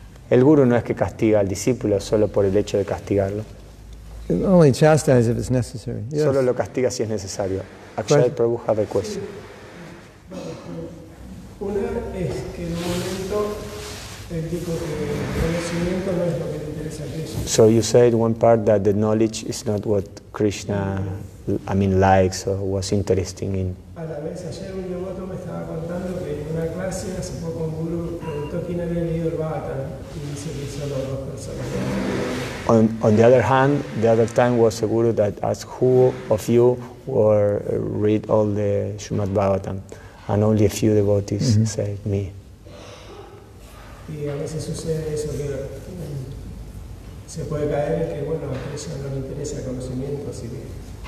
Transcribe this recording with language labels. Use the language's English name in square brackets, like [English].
[Spanish] El guru no es que castiga al discípulo solo por el hecho de castigarlo. [English] It only chastises if it's necessary. Yes. [Spanish] Solo lo castiga si es necesario. [English] Actually, Prabhu has a question. [Spanish] Una es que en un momento él dijo que el conocimiento no es lo que le interesa a Krishna. [English] So you said one part that the knowledge is not what Krishna, I mean, likes or was interesting in. [Spanish] A la vez, ayer un devoto me estaba contando que en una clase hace poco un guru preguntó quién había leído el Bhagavatam y dice que solo dos personas. [English] On the other hand, the other time was a guru that asked who of you were read all the Srimad Bhagavatam, and only a few devotees said me. [Spanish] Y a veces sucede eso que se puede caer que bueno, a Krishna no le interesa el conocimiento, así que